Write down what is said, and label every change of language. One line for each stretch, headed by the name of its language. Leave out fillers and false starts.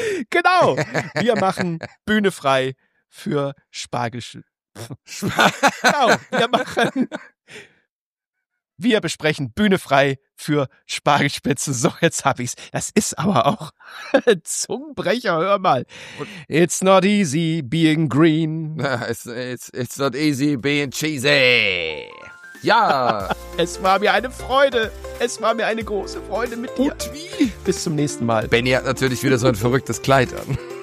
German: Genau, wir machen Bühne frei für Spargelschnitt. Genau, wir besprechen Bühne frei für Spargelspitze. So, jetzt hab ich's. Das ist aber auch Zungenbrecher, hör mal.
English: It's not easy being green. It's not easy being cheesy.
German: Ja. Es war mir eine Freude. Es war mir eine große Freude mit dir. Und wie? Bis zum nächsten Mal. Benny hat natürlich wieder so ein verrücktes Kleid an.